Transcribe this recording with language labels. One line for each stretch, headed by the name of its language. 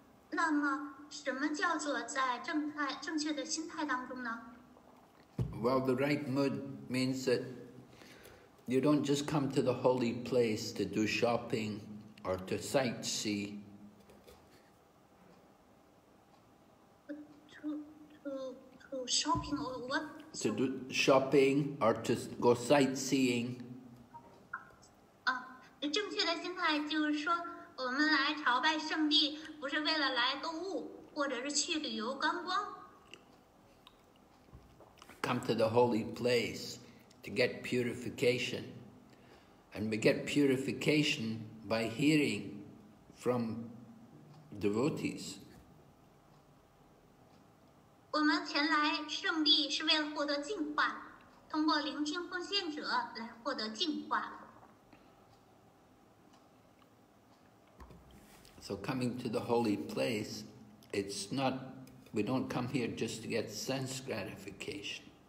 Chinese: 那么，什么叫做在正确的心态当中呢？
English: Well, the right mood means that you don't just come to the holy place to do shopping or to sightsee. To shopping or what? To do shopping or to go sightseeing.
Chinese: 正确的心态就是说我们来朝拜圣地不是为了来购物或者是去旅游观光。
English: Come to the holy place to get purification. And we get purification by hearing from devotees.
Chinese: 我们前来圣地是为了获得净化，通过聆听奉献者来获得净化。
English: So coming to the holy place, we don't come here just to get sense gratification.